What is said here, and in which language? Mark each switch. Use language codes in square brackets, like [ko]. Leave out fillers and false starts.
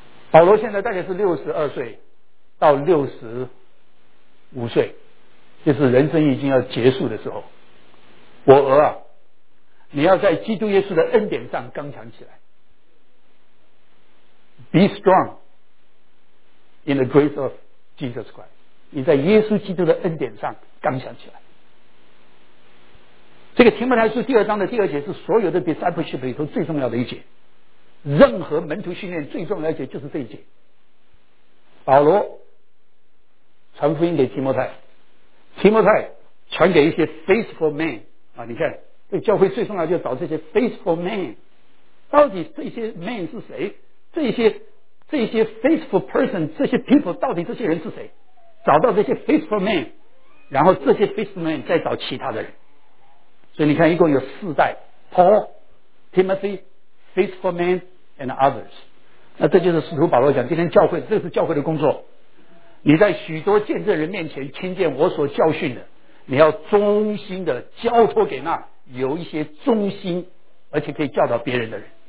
[zh] 保罗现在大概是六十二岁到六十五岁，就是人生已经要结束的时候，我儿啊，你要在基督耶稣的恩典上刚强起来。 [en] Be strong in the grace of Jesus Christ， [zh] 你在耶稣基督的恩典上刚强起来。这个提摩太书第二章的第二节是所有的 discipleship 里头最重要的一节，任何门徒训练最重要的一节就是这一节。保罗传福音给提摩太，提摩太传给一些 faithful men 啊，你看这教会最重要就是找这些 faithful men， 到底这些 men 是谁，这些 faithful person， 这些 people 到底这些人是谁，找到这些 faithful men， 然后这些 faithful men 再找其他的人。所以你看一共有四代， [en] Paul Timothy faithful men and others。 [zh] 那这就是使徒保罗讲，今天教会这是教会的工作，你在许多见证人面前听见我所教训的，你要忠心的交托给那有一些忠心而且可以教导别人的人。